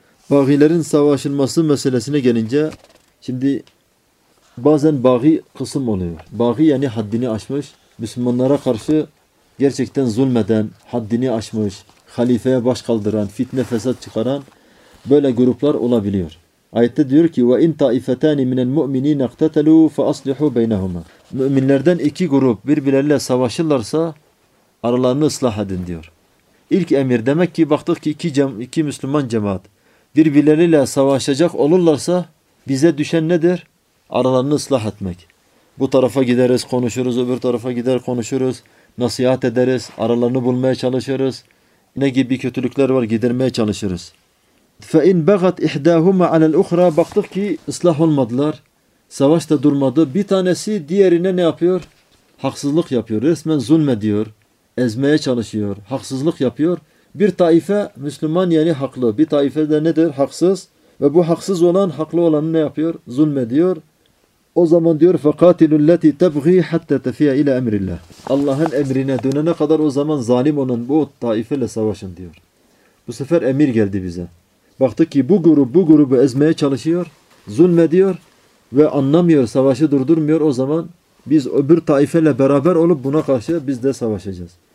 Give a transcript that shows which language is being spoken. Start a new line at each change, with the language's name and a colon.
Turkish: Bağilerin savaşılması meselesine gelince, şimdi bazen baği kısım oluyor. Baği yani haddini aşmış, Müslümanlara karşı gerçekten zulmeden, haddini aşmış, halifeye baş kaldıran, fitne fesat çıkaran böyle gruplar olabiliyor. Ayette diyor ki
Arabic: وَاِنْ تَعِفَتَانِ مِنَ الْمُؤْمِنِينَ اَقْتَتَلُوا فَاَصْلِحُوا بَيْنَهُمَا.
Turkish: Müminlerden iki grup birbirleriyle savaşırlarsa aralarını ıslah edin diyor. İlk emir demek ki baktık ki iki Müslüman cemaat birbirleriyle savaşacak olurlarsa bize düşen nedir? Aralarını ıslah etmek. Bu tarafa gideriz konuşuruz, öbür tarafa gider konuşuruz, nasihat ederiz, aralarını bulmaya çalışırız. Ne gibi kötülükler var gidermeye çalışırız.
Arabic: فَاِنْ بَغَتْ اِحْدَاهُمَا عَلَى الْاُخْرَى.
Turkish: Baktık ki ıslah olmadılar. Savaş da durmadı. Bir tanesi diğerine ne yapıyor? Haksızlık yapıyor. Resmen zulmediyor. Ezmeye çalışıyor. Haksızlık yapıyor. Bir taife Müslüman yani haklı. Bir taife de nedir? Haksız. Ve bu haksız olan haklı olanı ne yapıyor? Zulmediyor. O zaman diyor
Arabic: فَقَاتِلُ الَّتِي تَبْغِي حَتَّى تَفِيَ اِلَى اَمْرِ اللّٰهِ.
Turkish: Allah'ın emrine dönene kadar o zaman zalim olan bu taifeyle savaşın diyor. Bu sefer emir geldi bize. Baktık ki bu grubu ezmeye çalışıyor, zulmediyor ve anlamıyor, savaşı durdurmuyor. O zaman biz öbür taifeyle beraber olup buna karşı biz de savaşacağız.